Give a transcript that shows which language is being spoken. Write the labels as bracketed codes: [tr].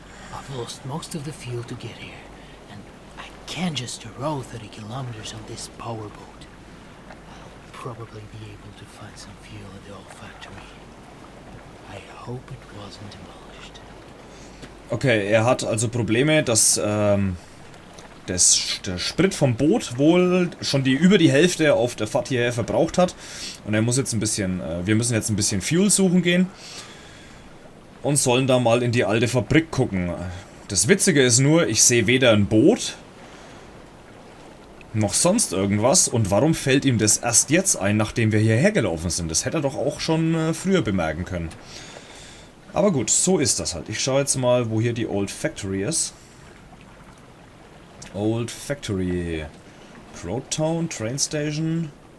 [en] I've lost most of the fuel to get here. And I can't just row 30 kilometers on this powerboat. I'll probably be able to find some fuel at the old factory. I hope it wasn't demolished. [de] Okay, er hat also Probleme, dass der Sprit vom Boot wohl schon über die Hälfte auf der Fahrt hierher verbraucht hat. Und er muss jetzt ein bisschen, wir müssen jetzt ein bisschen Fuel suchen gehen. Und sollen da mal in die alte Fabrik gucken. Das Witzige ist nur, ich sehe weder ein Boot, noch sonst irgendwas. Und warum fällt ihm das erst jetzt ein, nachdem wir hierher gelaufen sind? Das hätte er doch auch schon früher bemerken können. Aber gut, so ist das halt. Ich schaue jetzt mal, wo hier die Old Factory ist. [en] Old Factory. Crowtown, Train Station.